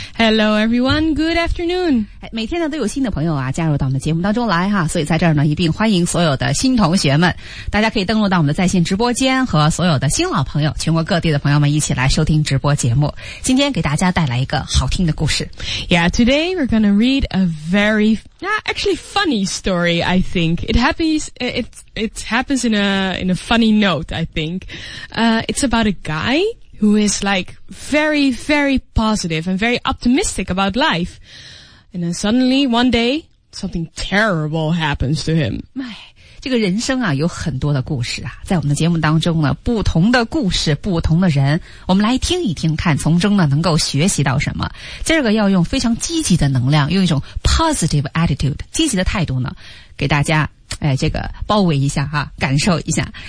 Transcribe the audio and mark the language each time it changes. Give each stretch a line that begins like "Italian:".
English: Hello everyone, good afternoon。
Chinese: 每天呢都有新的朋友啊加入到我们的节目当中来哈，所以在这儿呢一并欢迎所有的新同学们，大家可以登录到我们的在线直播间和所有的新老朋友，全国各地的朋友们一起来收听直播节目，今天给大家带来一个好听的故事。
English: Yeah, today we're gonna read a very, actually funny story, I think. It happens in a funny note, I think. It's about a guy who is like very, very positive and very optimistic about life. And then suddenly, one day, something terrible happens to him. My.
Chinese: 这个人生啊有很多的故事啊，在我们的节目当中呢，不同的故事，不同的人，我们来听一听，看从中呢能够学习到什么。今儿个要用非常积极的能量，用一种
English: positive attitude
Chinese: 积极的态度呢给大家这个包围一下哈，感受一下。